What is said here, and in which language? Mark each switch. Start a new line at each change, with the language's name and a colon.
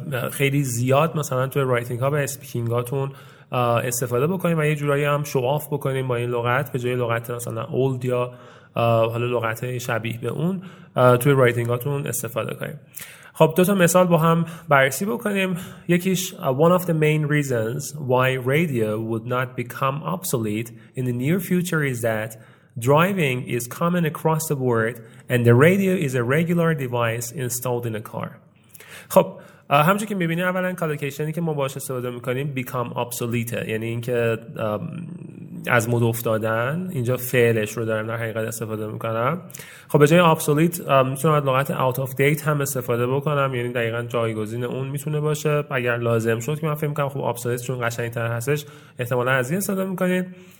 Persian: خیلی زیاد مثلا توی رایتینگ ها و اسپیکینگ هاتون استفاده بکنین و یه جورایی هم شواف بکنین با این لغت، به جای لغت مثلا اولد یا حالا لغت شبیه به اون توی رایتینگ هاتون استفاده کنین. خب دو تا مثال با هم بررسی بکنیم. یکیش
English: one of the main reasons why radio would not become obsolete in the near future is that driving is common across the board and the radio is a regular device installed in a car.
Persian: خب همچون که میبینیم اولا کالوکیشنی که ما باهاش استفاده میکنیم become obsolete، یعنی اینکه از مد افتادن، اینجا فعلش رو دارم در حقیقت استفاده میکنم. خب به جای obsolete میتونم از لغت out of date هم استفاده بکنم، یعنی دقیقا جایگزین اون میتونه باشه اگر لازم شد، که من فکر میکنم خب obsolete چون قشنگتر هستش احتمالا از این استفاده میکنیم.